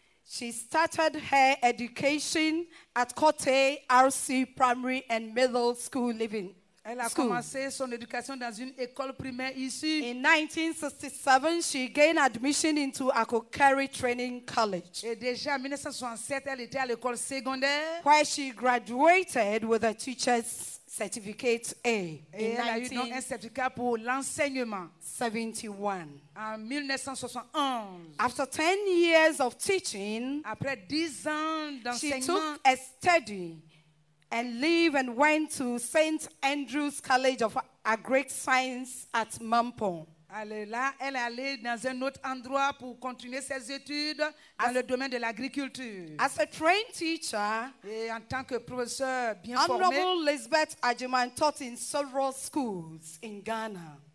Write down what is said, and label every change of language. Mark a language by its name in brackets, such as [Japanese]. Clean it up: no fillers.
[English] She started her education at Kote RC Primary and Middle School Living. [French] Elle a commencé son éducation dans une école primaire ici. [English] In 1967, she gained admission into Akokere Training College. [French] Et déjà en 1967, elle était à l'école secondaire. [English] Where she graduated with a teacher's certificate A. [French] Et elle a eu donc un certificat pour l'enseignement. [English] 71. [French] En 1971, [English] after 10 years of teaching, [French] après 10 ans d'enseignement, [English] she took a study and leave and went to St. Andrew's College of Agri-Science at Mampong. [French] Là, elle est allée dans un autre endroit pour continuer ses études dans le domaine de l'agriculture. [English] As a trained teacher, [French] et en tant que professeur bien [English] Honorable [French] formé, [English] Honorable Elizabeth Adjumine taught in several schools in Ghana.